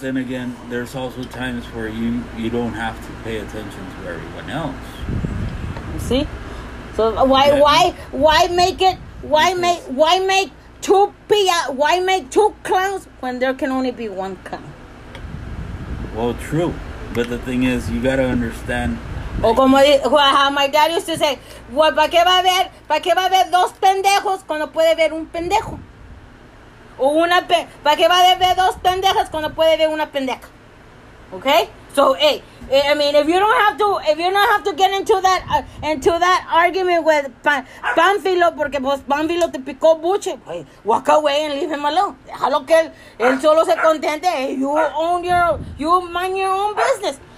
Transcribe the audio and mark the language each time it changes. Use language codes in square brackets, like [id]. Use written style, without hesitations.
[en] But then again, there's also times where you don't have to pay attention to everyone else. See? So, why make two clowns when there can only be one clown? Well, true. But the thing is, you gotta understand... [es] O como [en] my dad used to say, well, [es] ¿para qué va a haber dos pendejos cuando puede haber un pendejo? O una pe, ¿para qué va a haber dos pendejas cuando puede haber una pendeja? [en] Okay? So, hey, I mean, if you don't have to get into that argument with Panfilo, [es] porque pues Panfilo te picó buche, [en] walk away and leave him alone. [es] Déjalo que él solo se contente. [en] Hey, you mind your own business.